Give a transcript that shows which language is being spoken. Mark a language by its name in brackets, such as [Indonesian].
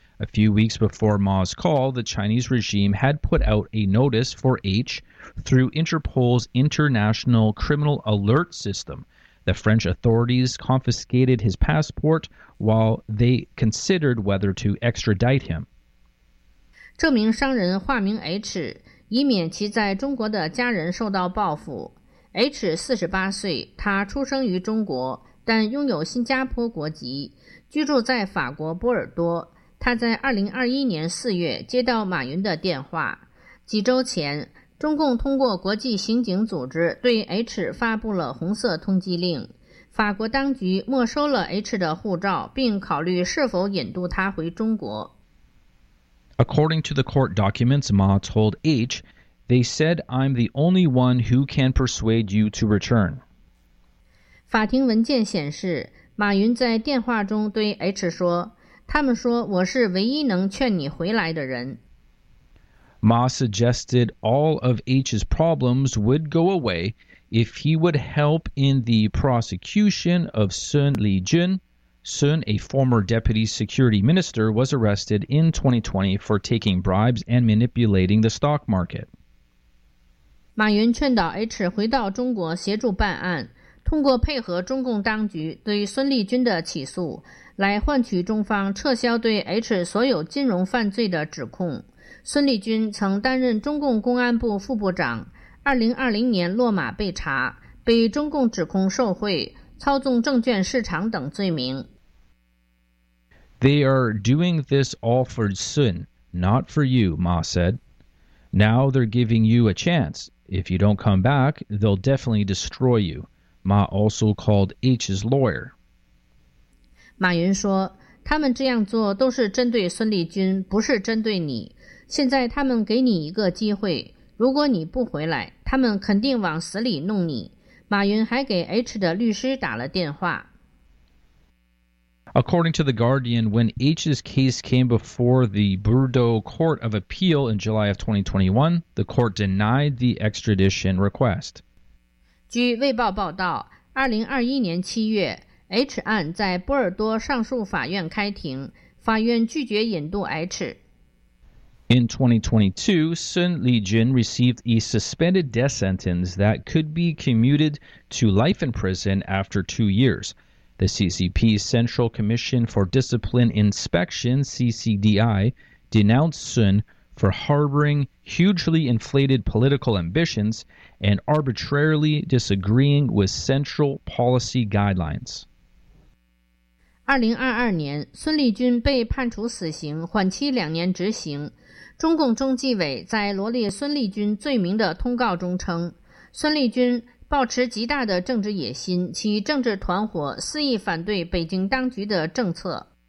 [English] A few weeks before Ma's call, the Chinese regime had put out a notice for H through Interpol's International Criminal Alert System. The French authorities confiscated his passport while they considered whether to extradite him. [Chinese] 这名商人化名 H, 以免其在中国的家人受到报复。 H 48岁，他出生于中国，但拥有新加坡国籍，居住在法国波尔多。他在2021年4月接到马云的电话。几周前，中共通过国际刑警组织对 H 发布了红色通缉令，法国当局没收了 H 的护照，并考虑是否引渡他回中国。 [English] According to the court documents, Ma told H, they said I'm the only one who can persuade you to return. [Chinese] 法庭文件显示，马云在电话中对 H 说，他们说我是唯一能劝你回来的人。 [English] Ma suggested all of H's problems would go away if he would help in the prosecution of Sun Lijun. Sun, a former deputy security minister, was arrested in 2020 for taking bribes and manipulating the stock market. [Chinese] 马云劝导 H 回到中国协助办案，通过配合中共当局对孙立军的起诉，来换取中方撤销对 H 所有金融犯罪的指控。孙立军曾担任中共公安部副部长，2020年落马被查，被中共指控受贿、操纵证券市场等罪名。 [English] They are doing this all for Sun, not for you, Ma said. Now they're giving you a chance. If you don't come back, they'll definitely destroy you. Ma also called H's lawyer. [Chinese] 马云说，他们这样做都是针对孙立军，不是针对你。现在他们给你一个机会，如果你不回来，他们肯定往死里弄你。马云还给 H 的律师打了电话。 [English] According to The Guardian, when H's case came before the Bordeaux Court of Appeal in July of 2021, the court denied the extradition request. [Chinese] 据《卫报》报道，2021年7月，H 案在波尔多上诉法院开庭，法院拒绝引渡 H。 [English] In 2022, Sun Lijun received a suspended death sentence that could be commuted to life in prison after 2 years. The CCP's Central Commission for Discipline Inspection, CCDI, denounced Sun for harboring hugely inflated political ambitions and arbitrarily disagreeing with central policy guidelines. [Chinese] 2022年，孙立军被判处死刑，缓期两年执行。中共中纪委在罗列孙立军罪名的通告中称，孙立军抱持极大的政治野心，其政治团伙肆意反对北京当局的政策。